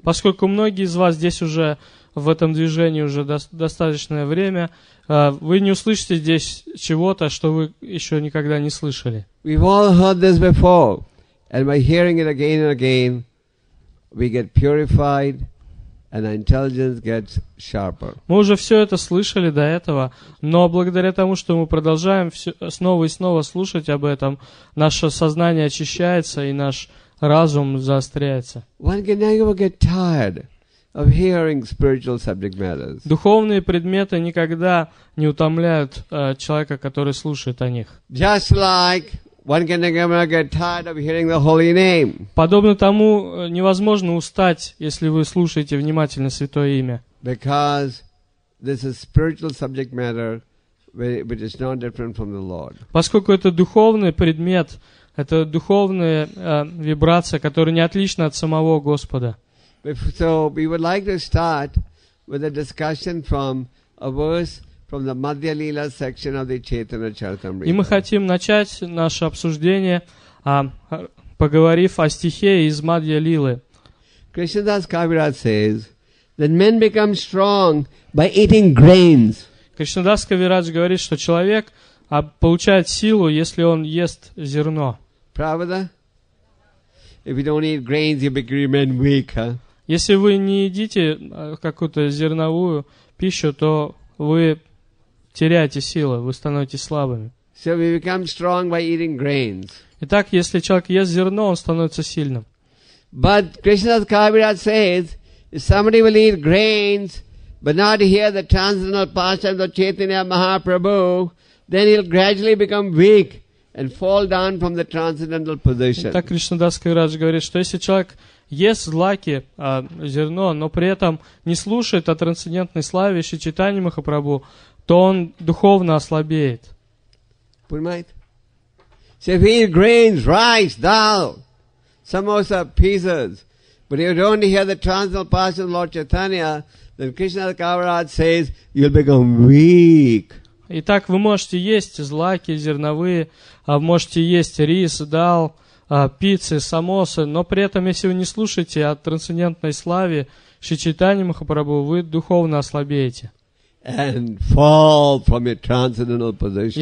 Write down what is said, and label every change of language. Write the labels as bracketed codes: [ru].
[ru] Поскольку многие из вас здесь уже в этом движении уже достаточное время, вы не услышите здесь чего-то, что вы еще никогда не слышали. [en] We've all heard this before, and by hearing it again and again, we get purified, And intelligence gets sharper. [ru] Мы уже все это слышали до этого, но благодаря тому, что мы продолжаем все, снова и снова слушать об этом, наше сознание очищается и наш разум заостряется. [en] One can never get tired of hearing spiritual subject matters. [ru] Духовные предметы никогда не утомляют человека, который слушает о них. [en] Just like one can never get tired of hearing the holy name. [ru] Подобно тому, невозможно устать, если вы слушаете внимательно святое имя. [en] Because this is spiritual subject matter, which is not different from the Lord. [ru] Поскольку это духовный предмет, это духовная вибрация, которая не отлична от самого Господа. [en] So we would like to start with a discussion from a verse. From the Madhya Lila section of the Chaitanya Charitamrita. [ru] И мы хотим начать наше обсуждение, поговорив о стихе из Мадья Лилы. [en] Кришнадас Кавирад says that men become strong by eating grains. [ru] Кришнадас Кавирад говорит, что человек получает силу, если он ест зерно. Правда? [en] If you don't eat grains, you become weak. Huh? [ru] Если вы не едите какую-то зерновую пищу, то вы теряете силы, вы становитесь слабыми. [en] So we become strong by eating grains. [ru] Итак, если человек ест зерно, он становится сильным. [en] But Krishna's Kaviraj says, if somebody will eat grains, but not hear the transcendental pastimes of Chaitanya Mahaprabhu, then he'll gradually become weak and fall down from the transcendental position. [ru] Итак, Кришнадас Кавирадж говорит, что если человек ест злаки, зерно, но при этом не слушает о трансцендентной славе Шри Чайтаньи Махапрабху, то он духовно ослабеет. Понимаете? [en] So if you eat grains, rice, dal, samosa, pieces, but if you don't hear the transcendental passion of Lord Chaitanya, then Krishna Kavirad says, you'll become weak. [ru] Итак, вы можете есть злаки, зерновые, можете есть рис, дал, пиццы, самосы, но при этом, если вы не слушаете о трансцендентной славе Шри Чайтаньи Махапрабху, вы духовно ослабеете. [en] And fall from your transcendental position.